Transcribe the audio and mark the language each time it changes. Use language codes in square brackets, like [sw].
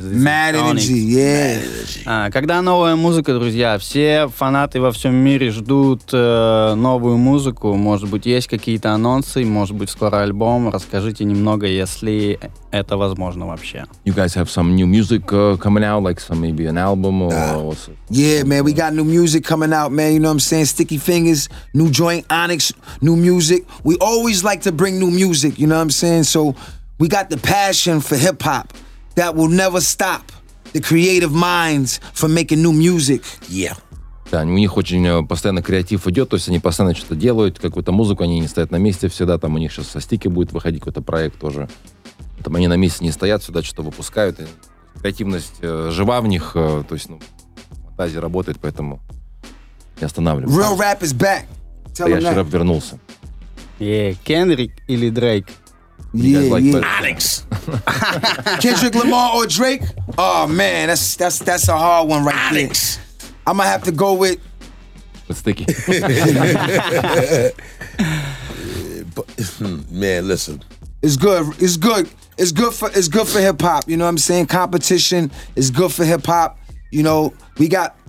[en] Mad Energy, yeah. [ru] Когда новая музыка, друзья, все фанаты во всем мире ждут новую музыку, может быть, есть какие-то анонсы, может быть, скоро альбом, расскажите немного, если это возможно вообще. [en] You guys have some new music coming out, like some maybe an album or what's it? Yeah, man, we got new music coming out, man, you know what I'm saying, Sticky Fingers, new joint, Onyx, new music, we all always like to bring new music, you know what I'm saying? So we got the passion for hip-hop that will never stop the creative minds from making new music. Yeah. [ru] Да, у них очень постоянно креатив идет, то есть они постоянно что-то делают, какую-то музыку, они не стоят на месте всегда, там у них сейчас со стики будет выходить какой-то проект тоже. Там они на месте не стоят, сюда что-то выпускают. И креативность жива в них, то есть, ну, фантазия работает, поэтому не останавливаюсь. [en] Real rap is back. [ru] Я вчера вернулся. Кендрик или Дрейк? Алекс. Кендрик Ламар или Дрейк? [en] О, man, that's a hard one right there. [ru] Алекс. [en] I'm gonna have to go with... With Sticky. Man, listen. It's good for hip-hop, you know what I'm saying? Competition is good for hip-hop. You know, we got...